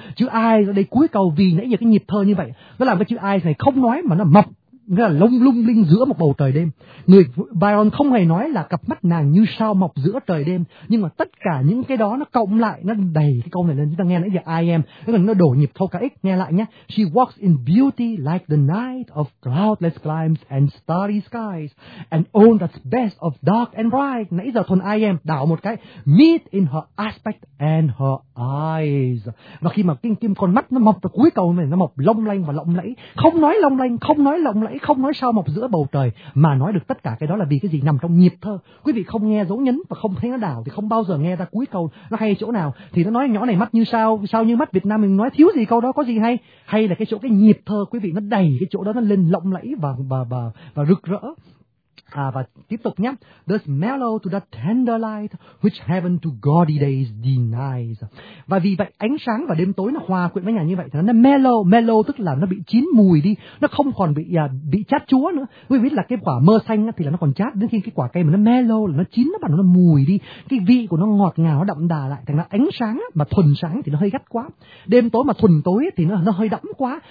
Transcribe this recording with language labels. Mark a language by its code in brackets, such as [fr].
[vi] Chữ eyes ở đây cuối câu, vì nãy giờ cái nhịp thơ như vậy nó làm cái chữ eyes này không nói mà nó mọc, nghĩa là lung lung linh giữa một bầu trời đêm. Người Byron không hề nói là cặp mắt nàng như sao mọc giữa trời đêm, nhưng mà tất cả những cái đó nó cộng lại, nó đầy cái câu này lên. Chúng ta nghe nãy giờ I am, tức là nó đổ nhịp thâu cả x, nghe lại nhé. [en] She walks in beauty like the night of cloudless climes and starry skies, and all that's best of dark and bright. [vi] Nãy giờ thuần I am, đảo một cái, [en] meet in her aspect and her eyes. [vi] Và khi mà kim con mắt nó mọc, cuối câu này nó mọc long lanh và lộng lẫy, không nói long lanh, không nói lộng lẫy, không nói sao mọc giữa bầu trời, mà nói được tất cả cái đó là vì cái gì nằm trong nhịp thơ. Quý vị không nghe dấu nhấn và không thấy nó đảo thì không bao giờ nghe ra cuối câu nó hay chỗ nào. Thì nó nói nhỏ này mắt như sao, sao như mắt, Việt Nam mình nói thiếu gì câu đó, có gì hay. Hay là cái chỗ cái nhịp thơ, quý vị, nó đầy cái chỗ đó, nó lên lộng lẫy và rực rỡ. Và tiếp tục nhé. [en] Thus mellow to that tender light which heaven to gaudy days denies. [vi] Và vì vậy ánh sáng và đêm tối nó hòa quyện với nhau như vậy, nó mellow, mellow tức là nó bị chín mùi đi, nó không còn bị chát chúa nữa. Quý vị biết là cái quả mơ xanh thì là nó còn chát, đến khi cái quả cây mà nó mellow là nó chín, nó bắt đầu nó mùi đi, cái vị của nó ngọt ngào, nó đậm đà lại. Thành ra ánh sáng mà thuần sáng thì nó hơi gắt quá, đêm tối mà thuần tối thì nó hơi đẫm quá.